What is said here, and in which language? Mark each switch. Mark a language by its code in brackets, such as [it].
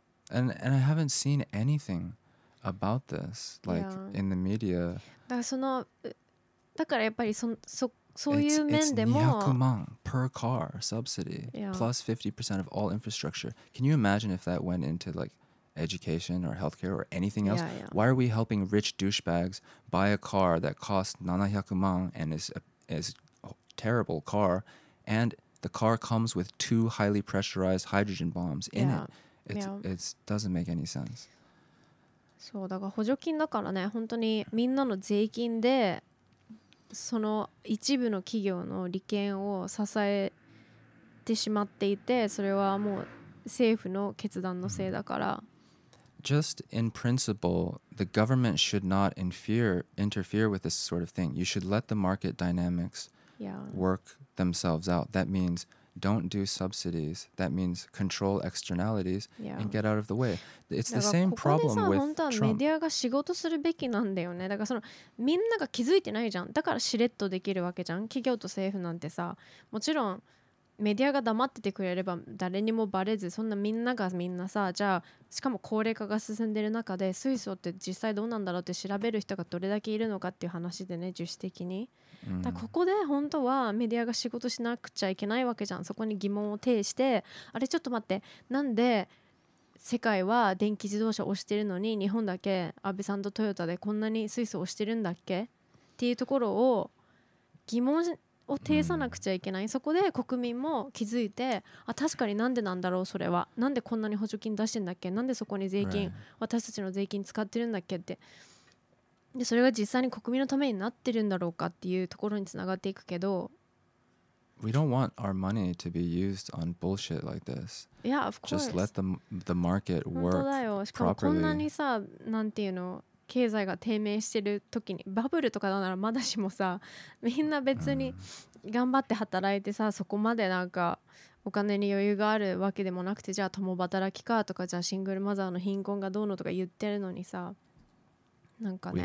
[en] and I haven't seen anything about this like、 yeah. in the media. [ja] だからやっぱりそういう面でも [en] 200万 per car subsidy、 yeah. plus 50% of all infrastructure. Can you imagine if that went into like education or healthcare or anything else? Yeah, yeah. Why are we helping rich douchebags buy a car that costs 700 万 and is a terrible car, and the car comes with 2 highly pressurized hydrogen bombs in、 yeah. it? It、 yeah. doesn't make any sense. [ja] そうだから補助金だからね、本当にみんなの税金でその一部の企業の利権を支えてしまっていて、それはもう政府の決断のせいだから。 [en] just in principle, the government should not interfere with this sort of thing. You should let the market dynamics work themselves out. That means don't do subsidies. That means control externalities and get out of the way. It's the same problem with Trump. [ja] だからここでさ、本当はメディアが仕事するべきなんだよね。だからそのみんなが気づいてないじゃん。だからしれっとできるわけじゃん。企業と政府なんてさ、もちろんメディアが黙っててくれれば誰にもバレず、そんなみんながみんなさ、じゃあしかも高齢化が進んでる中で水素って実際どうなんだろうって調べる人がどれだけいるのかっていう話でね、自主的に、うん、だここで本当はメディアが仕事しなくちゃいけないわけじゃん。そこに疑問を呈して、あれちょっと待って、なんで世界は電気自動車を推してるのに日本だけ安倍さんとトヨタでこんなに水素を推してるんだっけっていうところを疑問を呈さなくちゃいけない、うん、そこで国民も気づいて、あ、確かになんでなんだろう、それはなんでこんなに補助金出してんだっけ、なんでそこに税金、 [en] right. [ja] 私たちの税金使ってるんだっけって、でそれが実際に国民のためになってるんだろうかっていうところにつながっていくけど、 [en] We don't want our money to be used on bullshit like this. Yeah, of course. Just let the market work properly. [ja] 本当だよ。しかもこんなにさ、なんていうの、経済が低迷してる時にバブルとかならまだしもさ、みんな別に頑張って働いてさ、そこまでなんかお金に余裕があるわけでもなくて、じゃあ共働きかとか、じゃあシングルマザーの貧困がどうのとか言ってるのにさ、なんかね、